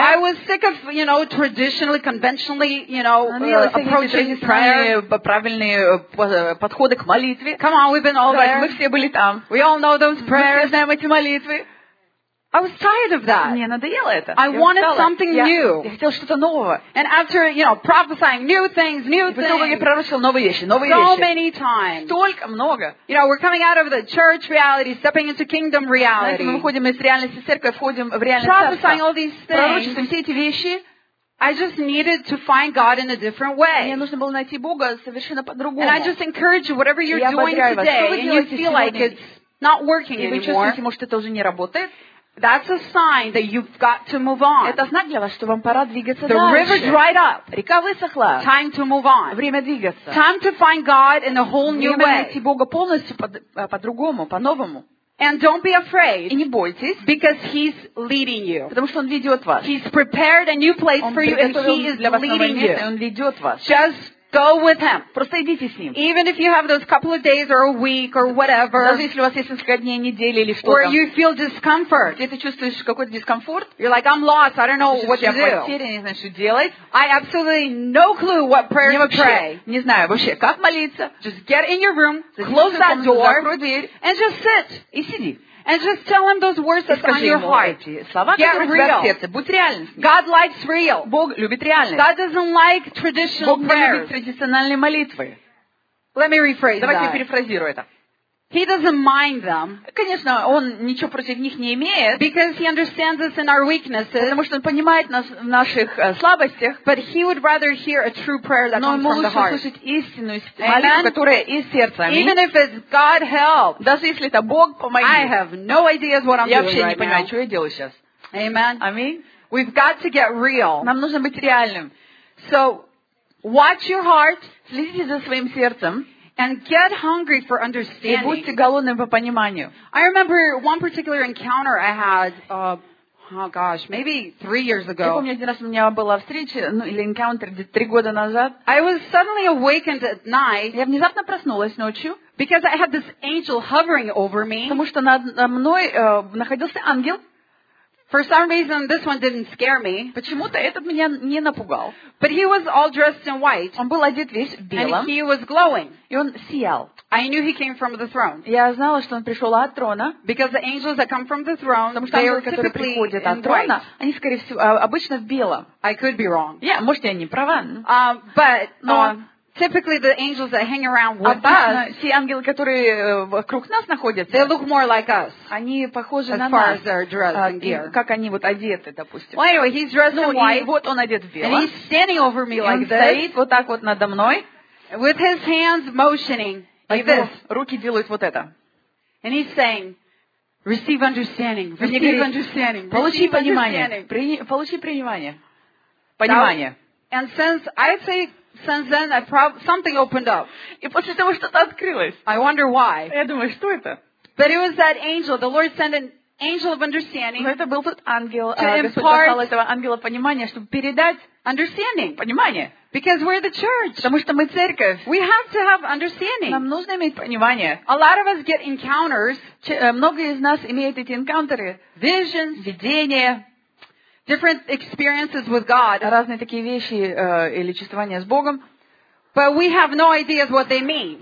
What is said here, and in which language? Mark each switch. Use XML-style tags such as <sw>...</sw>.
<en>I was sick of, you know, traditionally, conventionally, you know, approaching prayer.</en> <ru>Правильные подходы к молитве.</ru> <en>Come on, we've been all there.</en> <ru>Мы все были там.</ru> <en>We all know those prayers.</en> <ru>Мы все знаем эти молитвы.</ru> <en>I was tired of that.</en> <ru>Мне надоело это.</ru> <en>I wanted something new.</en> <ru>Я хотела что-то нового.</ru> <en>And after, you know, prophesying new things, new things.</en> <ru>И потом я пророчила новые вещи, новые вещи.</ru> <en>So many times.</en> <ru>Столько много.</ru> <en>You know, we're coming out of the church reality, stepping into kingdom reality.</en> <ru>Мы выходим из реальности церкви, входим в реальность царства.</ru> <en>Prophesying all these things.</en> <ru>Пророчим все эти вещи.</ru> <en>I just needed to find God in a different way.</en> <ru>Мне нужно было найти Бога совершенно по-другому.</ru> <en>And I just encourage you, whatever you're doing today, and you feel like it's not working anymore.</en> <ru>И вы чувствуете, может, это уже не работает.</ru> <en>That's a sign that you've got to move on.</en> <ru>Это знак для вас, что вам пора двигаться дальше.</ru> <en>The river dried up.</en> <ru>Река высохла.</ru> <en>Time to move on.</en> <ru>Время двигаться.</ru> <en>Time to find God in a whole new way.</en> <ru>Время найти Бога полностью по-другому, по-новому.</ru> <en>And don't be afraid.</en> <ru>И не бойтесь.</ru> <en>Because He's leading you.</en> <ru>Потому что Он ведет вас.</ru> <en>He's prepared a new place for you and He is leading you.</en> <ru>Он ведет вас.</ru> <en>Just go with Him.</en> <ru>Просто идите с Ним.</ru> <en>Even if you have those couple of days or a week or whatever.</en> <ru>Даже если у вас есть несколько дней, недели или что-то.</ru> <en>Where you feel discomfort.</en> <ru>Где ты чувствуешь какой-то дискомфорт?</ru> <en>You're like, I'm lost. I don't know what to do.</en> <ru>Я в квартире, не знаю, что делать.</ru> <en>I absolutely no clue what prayer to pray.</en> <ru>Не знаю вообще, как молиться.</ru> <en>Just get in your room. Close that door.</en> <ru>Закрой дверь.</ru> <en>And just sit.</en> <ru>И сиди.</ru> <en>And just tell Him those words that's on your heart. Get real. God likes real.</en> <ru>Бог любит реальность.</ru> <en>God doesn't like traditional prayers.</en> <ru>Бог не любит традициональные молитвы.</ru> <en>Let me rephrase that.</en> <ru>Давайте перефразирую это.</ru> <en>He doesn't mind them.</en> <ru>Конечно, он ничего против них не имеет.</ru> <en>Because he understands us in our weaknesses.</en> <ru>Потому что он понимает нас в наших слабостях.</ru> <en>But he would rather hear a true prayer that comes from the heart.</en> <ru>Но ему лучше слушать истинную молитву, которая из сердца.</ru> <en>Even if it's God help.</en> <ru>Даже если это Бог, помоги.</ru> <en>I have no idea what I'm doing.</en> <ru>Я вообще не понимаю,</ru> <en>right</en> <ru>что я делаю сейчас.</ru> <en>Amen.</en> <ru>Аминь.</ru> <en>We've got to get real.</en> <ru>Нам нужно быть реальным.</ru> <en>So watch your heart.</en> <ru>Следите за своим сердцем.</ru> <en>And get hungry for understanding.</en> <ru>И будьте голодным по пониманию.</ru> <en>I remember one particular encounter I had, maybe 3 years ago.</en> <ru>Я помню, один раз у меня была встреча, или encounter, 3 года назад.</ru> <en>I was suddenly awakened at night.</en> <ru>Я внезапно проснулась ночью.</ru> <en>Because I had this angel hovering over me.</en> <ru>Потому что над мной находился ангел.</ru> <en>For some reason, this one didn't scare me.</en> <ru>Почему-то этот меня не напугал.</ru> <en>But he was all dressed in white.</en> <ru>Он был одет весь в белом.</ru> <en>And he was glowing.</en> <ru>И он сиял.</ru> <en>I knew he came from the throne.</en> <ru>Я знала, что он пришел от трона.</ru> <en>Because the angels that come from the throne,</en> <ru>потому что ангелы, которые приходят от трона, они, скорее всего, обычно в белом.</ru> <en>I could be wrong.</en> <ru>Yeah, может, я не права.</ru> <en>But Typically, the angels that hang around with us,</en> <ru>те ангелы, которые вокруг нас находятся,</ru> <en>they look more like us.</en> <ru>Они похожи</ru> <en>as</en> <ru>на</ru> <en>far</en> <ru>нас.</ru> <en>As they're dressed in gear.</en> <ru>Как они вот одеты, допустим.</ru> <en>Well, anyway, he's dressed in white.</en> <ru>Вот он одет в белое.</ru> <en>And he's standing over me like this.</en> <ru>Стоит вот так вот надо мной.</ru> <en>With his hands motioning like this.</en> <ru>Руки делают вот это.</ru> <en>And he's saying, receive understanding. Receive understanding.</en> <ru>Получи понимание. Получи понимание. Понимание.</ru> <en>And since I say since then I something opened up.</en> <ru>И после того что-то открылось.</ru> <en>I wonder why.</en> <ru>Я думаю, что это?</ru> <en>But it was that angel. The Lord sent an angel of understanding.</en> <ru>Но это был тот ангел, который послал этого ангела понимания, чтобы передать</ru> <en>understanding.</en> <ru>Понимание.</ru> <en>Because we're the church.</en> <ru>Потому что мы церковь.</ru> <en>We have to have understanding.</en> <ru>Нам нужно иметь понимание.</ru> <en>A lot of us get encounters.</en> <ru>Много из нас имеют эти encounters.</ru> <en>Visions.</en> <ru>Видения.</ru> <en>Different experiences with God.</en> <ru>Разные такие вещи или чувствования с Богом.</ru> <en>But we have no idea what they mean.</en>